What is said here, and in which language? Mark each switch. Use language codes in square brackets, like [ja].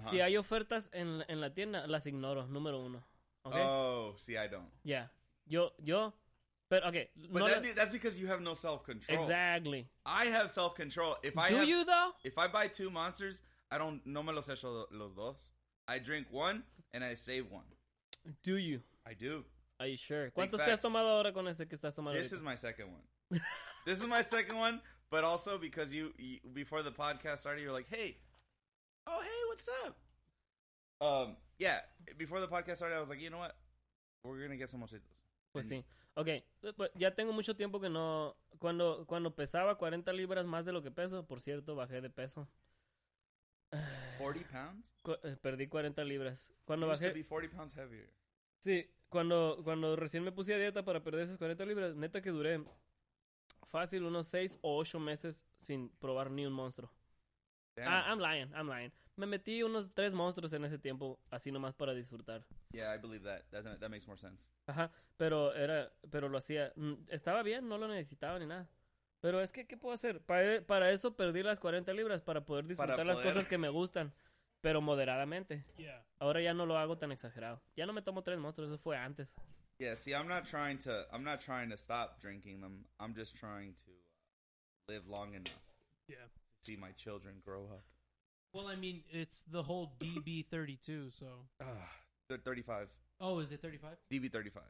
[es] Si hay ofertas en la tienda, las ignoro, número uno. [en] Okay? Oh, see, I don't. [es] Yeah. Yo, pero, okay. [en] But no, that's because you have no self-control. Exactly. I have self-control. If I buy 2 Monsters, I don't, [es] no me los echo los dos. [en] I drink 1 and I save 1. Do you? I do. Are you sure? [es] ¿Cuántos te has tomado ahora con ese que estás tomando? [en] This is my second one. This is my second one, but also because you before the podcast started, you're like, hey. Oh, hey, what's up? Yeah, before the podcast started, I was like, you know what? We're going to get some mojitos. [es] Pues sí. [en] Okay, but [es] ya tengo mucho tiempo que no... Cuando pesaba 40 libras más de lo que peso, por cierto, bajé de peso. [en] 40 pounds? [es] Perdí 40 libras. Cuando [en] you [es] bajé... [en] used to be 40 pounds heavier. [es] Sí, cuando recién me puse a dieta para perder esas 40 libras, neta que duré fácil unos 6 o 8 meses sin probar ni un monstruo. [en] I'm lying. [es] Me metí unos 3 monstruos en ese tiempo, así nomás para disfrutar. [en] Yeah, I believe that. That makes more sense. [es] Ajá, pero lo hacía. Estaba bien, no lo necesitaba ni nada. Pero es que, ¿qué puedo hacer? Para eso perdí las 40 libras, para poder disfrutar para las cosas que me gustan, pero moderadamente. Yeah. Ahora ya no lo hago tan exagerado. Ya no me tomo 3 monstruos, eso fue antes. [en] Yeah, see, I'm not trying to stop drinking them. I'm just trying to live long enough. Yeah. See my children grow up. Well, I mean, it's the whole DB32, so. They're 35. Oh, is it 35? DB35.